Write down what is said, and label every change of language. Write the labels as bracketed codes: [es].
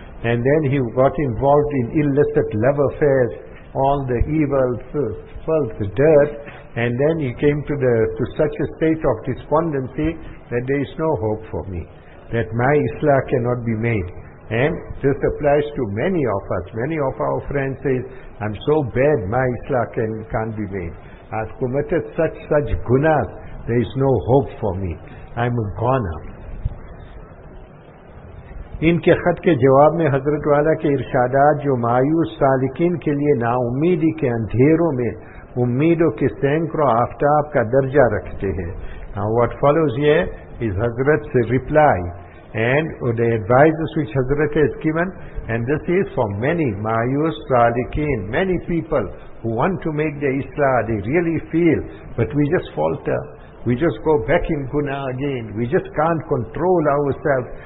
[en] And then he got involved in illicit love affairs, all the evil, filth, dirt, and then he came to the to such a state of despondency that there is no hope for me, that my islah cannot be made. And this applies to many of us. Many of our friends say, I'm so bad, my islah can't be made. I've committed such gunas, there is no hope for me. I'm a goner. [ur] ان کے خط کے جواب میں حضرت والا کے ارشادات جو مایوس سالکین کے لیے نا امیدی کے اندھیروں میں امیدوں کے سینکڑوں آفتاب کا درجہ رکھتے ہیں. [en] Now what follows here is Hazrat's reply and the advices which Hazrat has given, and this is for many مایوس سالکین, many people who want to make their islah, they really feel, but we just falter. We just go back in guna again. We just can't control ourselves.